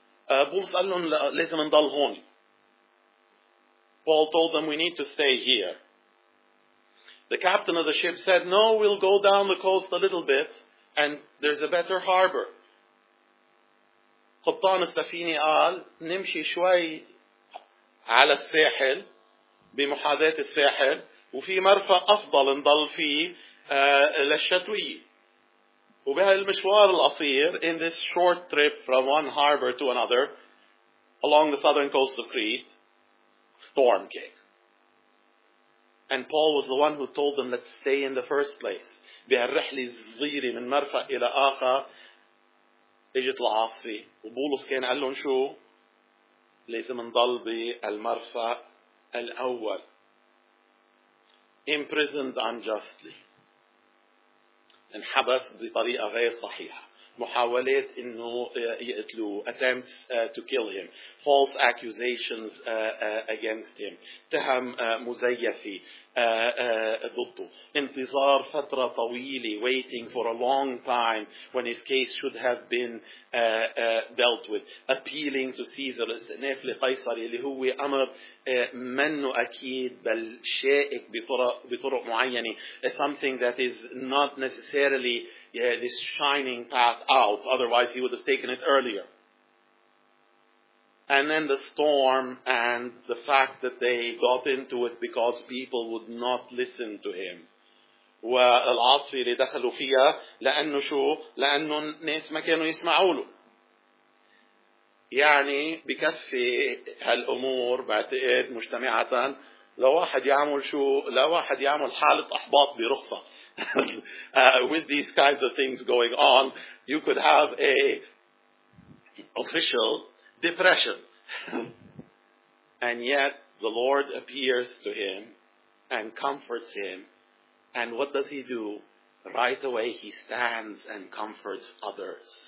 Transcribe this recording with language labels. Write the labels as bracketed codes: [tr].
[ar] بولس قال لهم لازم نضل هون. [en] Paul told them we need to stay here. The captain of the ship said, no, we'll go down the coast a little bit and there's a better harbor. [ar] قبطان السفينة قال نمشي شوي على الساحل بمحاذاة الساحل وفي مرفأ أفضل نضل فيه للشتوية. وبهالمشوار القصير [en] in this short trip from one harbor to another along the southern coast of Crete, storm came. And Paul was the one who told them, let's stay in the first place. [ar] بهالرحلة الصغيرة من مرفأ إلى آخر إجت العاصفة وبولس كان قال لهم شو؟ لازم نضل بالمرفأ الأول. [en] Imprisoned unjustly. [ar] انحبس بطريقة غير صحيحة. محاولات إنه يقتلوه. [en] Attempts to kill him. False accusations against him. [ar] تهم مزيفة ضده. انتظار فترة طويلة. [en] Waiting for a long time when his case should have been dealt with. Appealing to Caesar. [ar] استئناف لقيصر اللي هو أمر منه أكيد بل شائك بطرق معينة. [en] Something that is not necessarily this shining path out. Otherwise, he would have taken it earlier. And then the storm and the fact that they got into it because people would not listen to him. [ar] والعاصفة اللي دخلوا فيها لأنه شو؟ لأنه الناس ما كانوا يسمعوا له. يعني بكفي هالأمور بعتقد مجتمعة لو واحد يعمل شو؟ لو واحد يعمل حالة أحباط برخصة. [en] with these kinds of things going on, you could have a official depression. And yet, the Lord appears to him and comforts him. And what does he do? Right away, he stands and comforts others.